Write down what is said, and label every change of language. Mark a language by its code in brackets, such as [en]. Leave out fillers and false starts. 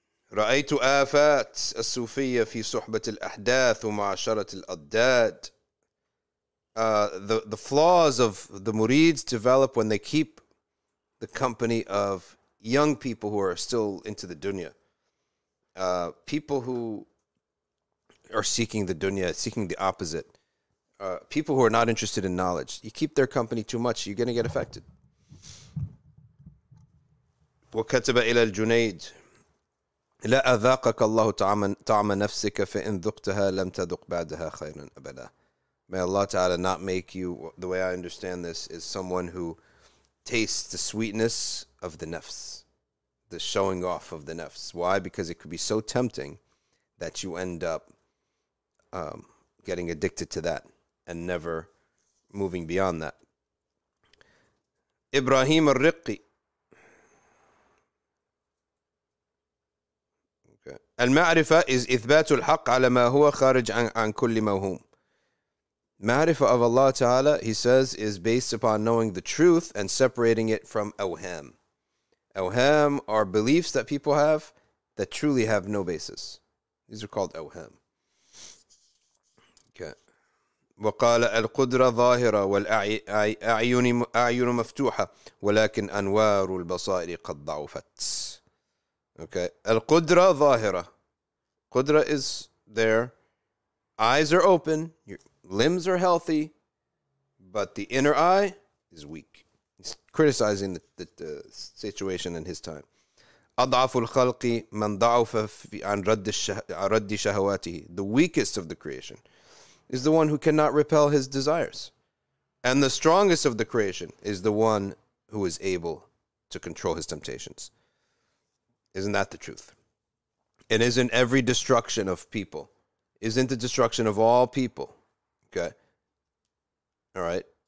[ar] رأيت آفات الصوفية في صحبة الأحداث ومعاشرة الأداد. [en] The flaws of the murids develop when they keep the company of young people who are still into the dunya. People who are seeking the dunya, seeking the opposite. People who are not interested in knowledge. You keep their company too much, you're going to get affected. [ar] وَكَتَبَ إِلَى الْجُنَيْدِ لَا أَذَاقَكَ اللَّهُ طَعْمَ نَفْسِكَ فَإِنْ ذُقْتَهَا لَمْ تَذُقْ بَعْدَهَا خَيْرًا أَبَدًا. [en] May Allah Ta'ala not make you, the way I understand this, is someone who taste the sweetness of the nafs, the showing off of the nafs. Why? Because it could be so tempting that you end up getting addicted to that and never moving beyond that. Ibrahim al-Riqi, Okay. [ar] المعرفة is إثبات الحق على ما هو خارج عن كل موهوم. [en] معرفة of Allah Ta'ala, he says, is based upon knowing the truth and separating it from أوهام. أوهام are beliefs that people have that truly have no basis. These are called أوهام. [ar] وقال القدرة ظاهرة والأعين مفتوحة ولكن أنوار البصائر قد ضعفت. [en] Okay. [ar] القدرة ظاهرة. [en] قدرة is there. Eyes are open. Your limbs are healthy. But the inner eye is weak. He's criticizing the situation in his time. [ar] أضعف الخلق من ضعف عن رد شهواته. [en] The weakest of the creation is the one who cannot repel his desires. And the strongest of the creation is the one who is able to control his temptations. Isn't that the truth? And isn't every destruction of people, isn't the destruction of all people, okay? All right?